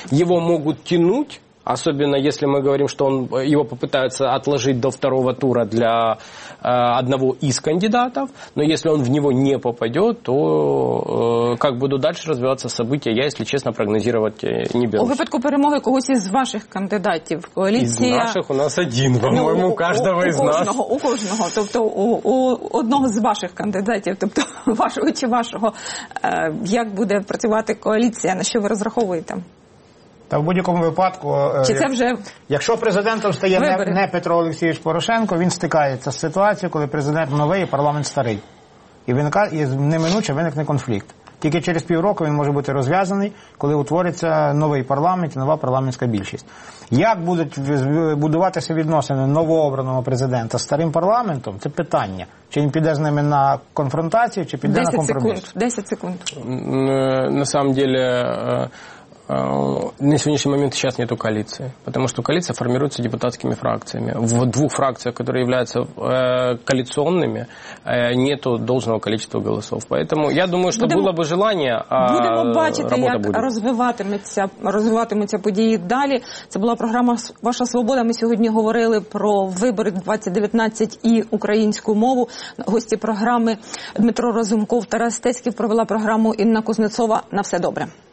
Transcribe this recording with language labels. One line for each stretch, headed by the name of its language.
Russian: Его могут тянуть, особенно если мы говорим, что он, его попытаются отложить до второго тура для одного из кандидатов, но если он в него не попадет, то как будут дальше развиваться события, я, если честно, прогнозировать не берусь.
Ukrainian: У випадку перемоги когось из ваших кандидатів коаліція...
Russian: Из наших у нас один, по-моему, каждого из нас.
Ukrainian: У кожного, тобто у одного з ваших кандидатів, тобто вашого чи вашого, як буде працювати коаліція, на що ви розраховуєте? Та в будь-якому випадку, якщо президентом стає не Петро Олексійович Порошенко, він стикається з ситуацією, коли президент новий і парламент старий. І виникає, неминуче виникне конфлікт. Тільки через півроку він може бути розв'язаний, коли утвориться новий парламент і нова парламентська більшість. Як будуть будуватися відносини новообраного президента з старим парламентом, це питання. Чи він піде з ними на конфронтацію, чи піде на компроміс? 10 секунд.
Russian: На самом деле... На сегодняшний момент сейчас нету коалиции, потому что коалиция формируется депутатскими фракциями. В двух фракциях, которые являются коалиционными, нету должного количества голосов. Поэтому я думаю, что будемо, было бы желание, а
Ukrainian: будемо бачити, работа як будет. Розвиватимуться події далі. Це була програма «Ваша свобода». Ми сьогодні говорили про вибори 2019 і українську мову. Гості програми Дмитро Разумков, Тарас Стецьків провела програму Інна Кузнецова. На все добре.